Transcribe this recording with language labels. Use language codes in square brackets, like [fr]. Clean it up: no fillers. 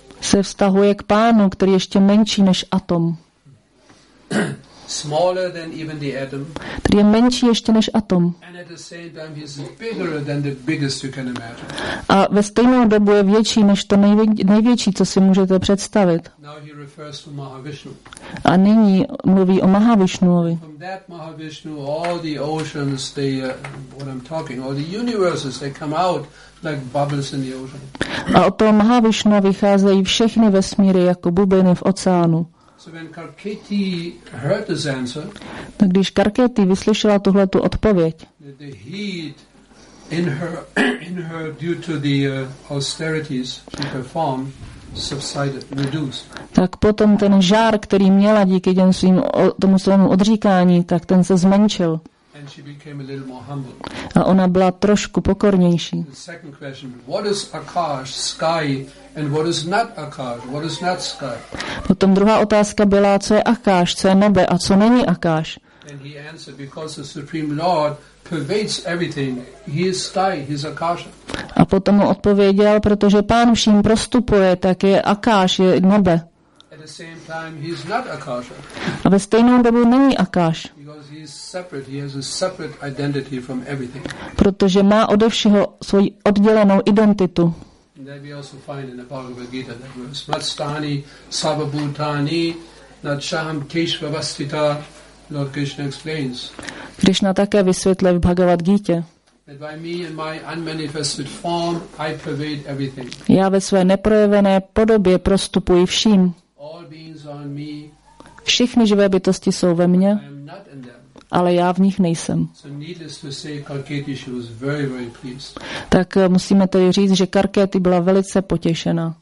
[cs] Se vztahuje k pánu, který je ještě menší než atom. [en] Smaller than even the atom. [cs] Který je menší ještě než atom. [en] And at the same time he is bigger than the biggest you can imagine. [cs] A ve stejnou dobu je větší než to největší, co si můžete představit. [en] Now he refers to Mahavishnu. [cs] A nyní mluví o Mahavishnuovi. [en] From that Mahavishnu, all the oceans, they, what I'm talking, all the universes, they come out like bubbles in the ocean. [cs] A od toho Mahavishnu vycházejí všechny vesmíry jako bubliny v oceánu. [en] So when Karketi heard this answer, [cs] tak když Karketi vyslyšela tuhle tu odpověď, [en] the heat in her due to the austerities she performed subsided, reduced. [cs] Tak potom ten žár, který měla díky tomu svému odříkání, tak ten se zmenšil. [en] And she became a little more humble. [cs] A ona byla trošku pokornější. [en] The second question, what is Akash, sky, and what is not Akash, what is not sky? [cs] Potom druhá otázka byla, co je Akash, co je nebe a co není Akash. [en] And he answered, because the Supreme Lord pervades everything, he is sky, he is Akash. [cs] A potom mu odpověděl, protože pán vším prostupuje, tak je Akash, je nebe. [en] At the same time, he is not Akasha. [cs] A ve stejnou dobu není Akash. [en] Because he is separate, he has a separate identity from everything. [cs] Protože má ode všeho svoji oddělenou identitu. [en] And that we also find in the Bhagavad Gita, that verse, [sa] Matstani, Sabhabhutani, Nacchaham Keshvavastita, [en] Lord Krishna explains. [cs] Krishna také vysvětluje v Bhagavad Gita. [en] That by me in my unmanifested form, I pervade everything. [cs] Já ve své neprojevené podobě prostupuji vším. [en] All beings are in me. [cs] Všichni živé bytosti jsou ve mně, ale já v nich nejsem. [en] So needless to say, Karketi, she was very, very pleased. [cs] Tak musíme tedy říct, že Karketi byla velice potěšena.